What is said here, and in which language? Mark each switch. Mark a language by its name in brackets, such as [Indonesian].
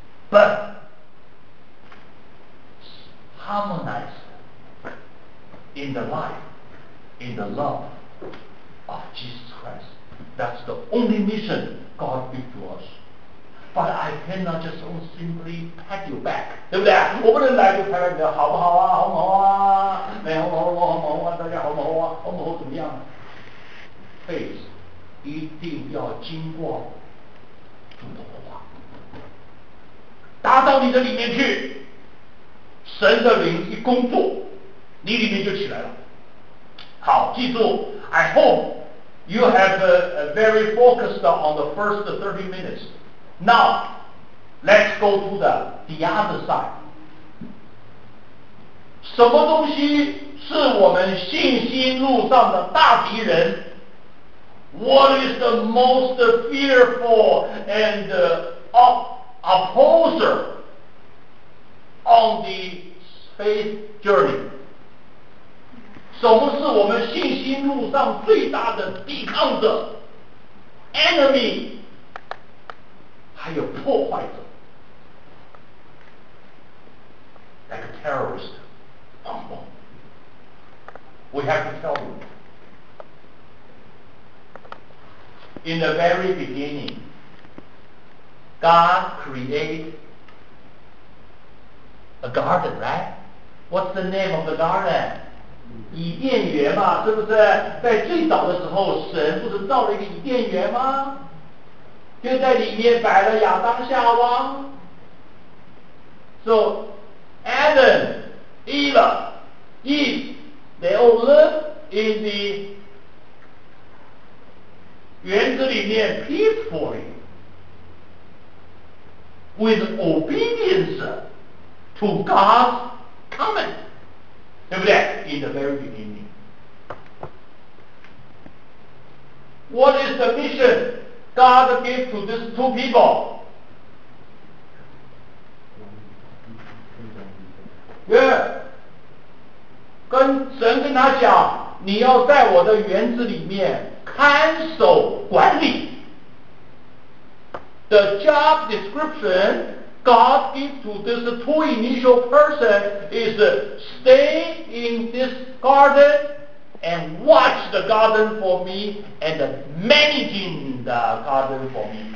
[English] But harmonize in the life, in the love of Jesus Christ. That's the only mission God gives to us. But I cannot just so simply pat you back. [Chinese] Faith 一定要经过主的火化，达到你的里面去，神的灵一工作，你里面就起来了。好，记住 [English] I hope you have a very focused on the first 30 minutes. Now let's go to the other side. [Chinese] 什么东西是我们信心路上的大敌人？ [English] What is the most fearful and opposer on the faith journey? [Chinese] 什么是我们信心路上最大的抵抗者 ？Enemy， 还有破坏者 ， [English] like a terrorist， [Chinese] 砰砰。 [English] We have to tell them. In the very beginning, God created a garden, right? What's the name of the garden? [Chinese] 伊甸园嘛，是不是？在最早的时候，神不是造了一个伊甸园吗？就在里面摆了亚当夏娃。 [English] So, Adam, Eva, Eve, they all live in the [Chinese] 园子里面 [English] peacefully with obedience to God's command， [Chinese] 对不对？ [English] In the very beginning， What is the mission God gave to these two people？ [Chinese] Yeah， 跟神跟他讲，你要在我的园子里面看守管理。 [English] The job description God gives to this two initial person is stay in this garden and watch the garden for me and managing the garden for me.